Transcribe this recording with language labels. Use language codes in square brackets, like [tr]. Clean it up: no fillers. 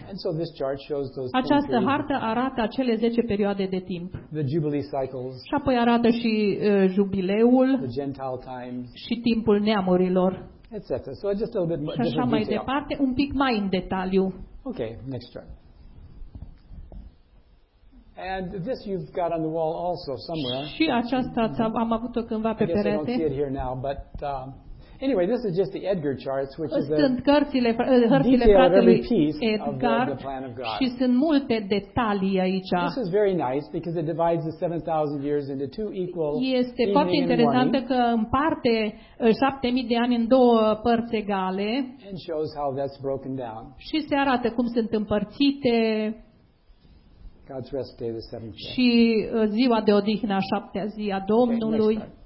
[en] And so this chart shows those. [ro] Această hartă arată acele 10 perioade de timp. [en] The jubilee cycles. [ro] Și apoi arată și jubileul. [en] The Gentile times. [ro] Și timpul neamurilor. [en] Etc. So just a little bit more. [ro] Și așa mai departe, un pic mai în detaliu. [en] Okay, next chart. And this you've got on the wall also somewhere. [ro] Și aceasta am avut-o cândva pe perete. [en] I guess I don't see it here now, but anyway, this is just the Edgar charts, which is [ro] sunt cărțile, hărțile fratelui Edgar, și sunt multe detalii aici. [en] This is very nice because it divides the 7,000 years into two equal evening and morning. [ro] Este foarte interesantă că împarte 7,000 de ani în două părți egale. [en] And shows how that's broken down. [ro] Și se arată cum sunt împărțite. [en] God's rest day, the seventh day. [ro] Și ziua de odihnă, a șaptea zi a Domnului.